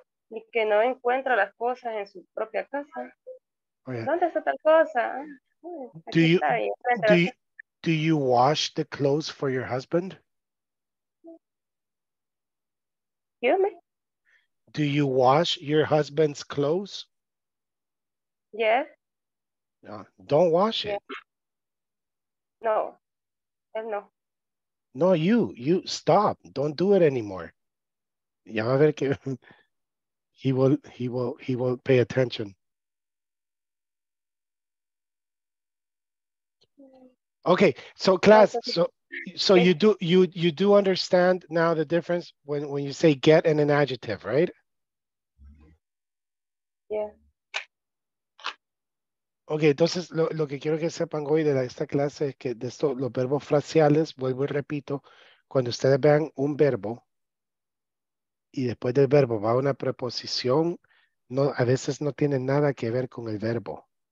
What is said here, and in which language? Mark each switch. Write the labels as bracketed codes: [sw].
[es] Y que no encuentra las cosas en su propia casa. [en] Oh, yeah. [es] ¿Dónde está tal cosa? [en] Do you wash the clothes for your husband? You mean? Do you wash your husband's clothes? Yes. Yeah. No, don't wash it. No. No. No, you stop. Don't do it anymore. [es] Ya va a ver que [en] he will pay attention. Okay, so class, so okay. you do understand now the difference when you say get and an adjective, right? Yeah. [es] Okay, entonces lo que quiero que sepan hoy de esta clase es que de esto, los verbos fraseales, vuelvo y repito, cuando ustedes vean un verbo y después del verbo va una preposición, no, a veces no tiene nada que ver con el verbo.